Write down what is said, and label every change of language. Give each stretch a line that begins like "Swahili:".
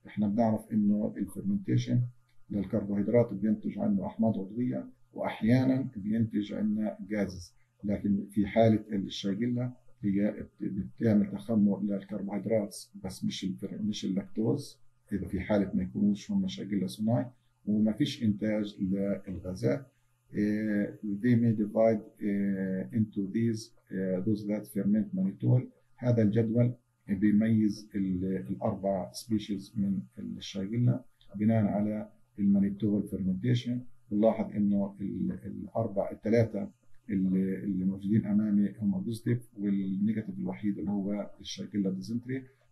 Arabic: احنا بنعرف انه الفيرمنتيشن للكربوهيدرات بينتج عنه احماض عضويه واحيانا بينتج عنه جازز، لكن في حاله الشيجيلا هي بتعمل تخمر للكربوهيدرات بس مش اللاكتوز، اذا في حاله ما يكونوش هم شيجيلا صناعي وما فيش انتاج للغازات.
English: They may divide into those that ferment mannitol.
Arabic: هذا الجدول بيميز الاربع سبيشيز من الشيجيلا بناء على المانيتول فيرمنتيشن. بنلاحظ انه الثلاثه اللي موجودين امامي هم بوزيتيف، والنيجاتيف الوحيد اللي هو الشيجيلا ديزنتري.